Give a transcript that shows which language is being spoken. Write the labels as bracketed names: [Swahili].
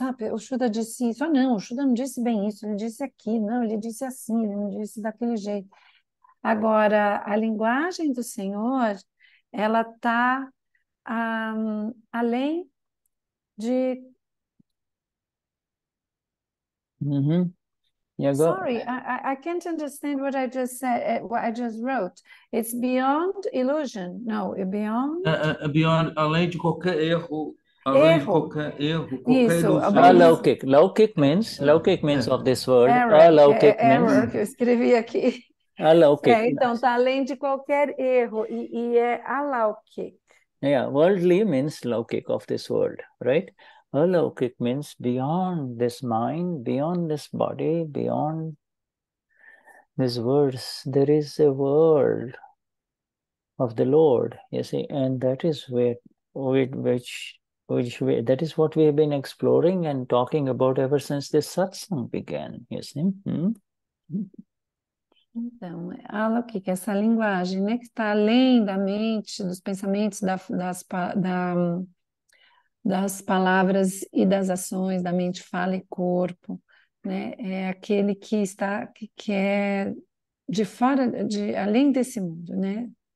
[Portuguese] Ah, o Shuddha disse isso. Ah, não, o Shuddha não disse bem isso, ele disse aqui. Não, ele disse assim, ele não disse daquele jeito. Agora, a linguagem do Senhor, ela está além de... [English] Sorry, I can't understand what I just said, what I just wrote. It's beyond illusion. No, beyond... [Portuguese] Beyond, além de qualquer erro. Além de qualquer erro. Isso. [English] Alaukik. Laukik means, laukik means of this word. Alaukik means. [Portuguese] Error, que eu escrevi aqui. [Gujarati] Alaukik. [Portuguese] Então, está além de qualquer erro. E é alaukik. [English] Yeah, worldly means laukik of this world, right? Alaukik means beyond this mind, beyond this body, beyond this verse. There is a world of the Lord, you see, and that is that is what we have been exploring and talking about ever since this satsang began, you see. [Portuguese] Então, alaukik, essa linguagem, né, que está além da mente, dos pensamentos, das palavras e das ações, da mente, fala e corpo, né? É aquele que está, que é de fora, de além desse mundo, né?